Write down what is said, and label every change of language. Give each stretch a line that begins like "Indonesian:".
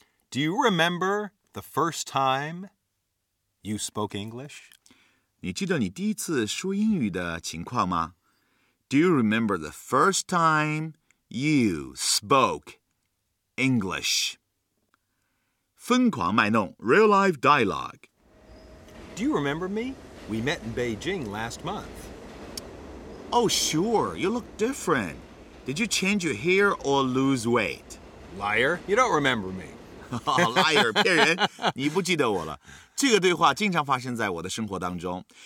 English: Do you remember the first time you spoke English?
Chinese: 你记得你第一次说英语的情况吗?
English: Do you remember the first time you spoke English? English.
Chinese: 疯狂卖弄
English: real life dialogue. Do you remember me? We met in Beijing last month. Oh, sure. You look different. Did you change your hair or lose weight? Liar. You don't remember me. Liar.
Chinese: 骗人你不记得我了。这个对话经常发生在我的生活当中。